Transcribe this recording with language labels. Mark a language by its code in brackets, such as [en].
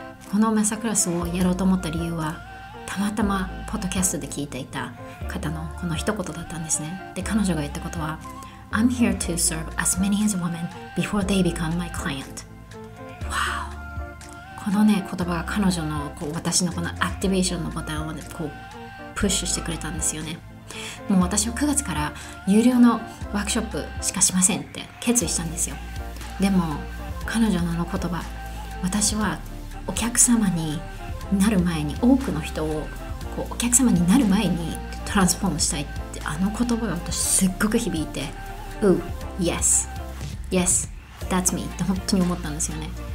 [ja] このマスタークラスをやろうと思った理由は、たまたまポッドキャストで聞いていた方のこの一言だったんですね。で、彼女が言ったことは、 [en] I'm here to serve as many as women before they become my client. Wow! [ja] このね、言葉が彼女のこう私のこのアクティベーションのボタンをね、こう、プッシュしてくれたんですよね。もう私は9月から有料のワークショップしかしませんって決意したんですよ。でも、彼女の言葉、私はお客様になる前に、多くの人をこうお客様になる前にトランスフォームしたいって、あの言葉が私すっごく響いて、 [en] Ooh, yes, yes, that's me [ja] って本当に思ったんですよね。